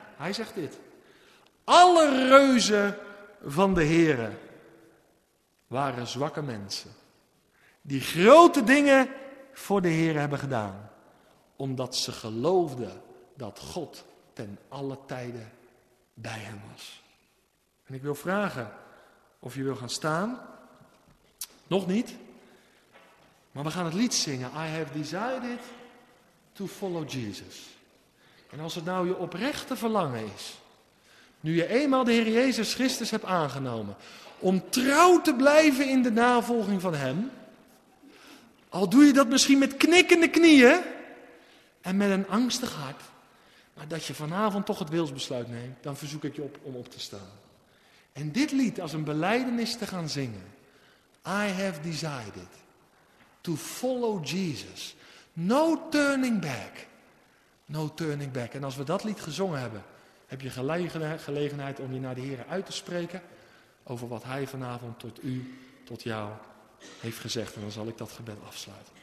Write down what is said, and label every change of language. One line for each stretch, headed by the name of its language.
Dutch: Hij zegt dit: alle reuzen van de Heere waren zwakke mensen die grote dingen voor de Heere hebben gedaan, omdat ze geloofden dat God ten alle tijden bij hem was. En ik wil vragen of je wil gaan staan. Nog niet. Maar we gaan het lied zingen.
English: I have decided to follow Jesus.
Dutch: En als het nou je oprechte verlangen is, nu je eenmaal de Heer Jezus Christus hebt aangenomen, om trouw te blijven in de navolging van hem, al doe je dat misschien met knikkende knieën en met een angstig hart, Maar dat je vanavond toch het wilsbesluit neemt, dan verzoek ik je op om op te staan. En dit lied als een belijdenis te gaan zingen.
English: I have decided to follow Jesus. No turning back. No turning back.
Dutch: En als we dat lied gezongen hebben, heb je gelegenheid om je naar de Heer uit te spreken over wat Hij vanavond tot u, tot jou heeft gezegd. En dan zal ik dat gebed afsluiten.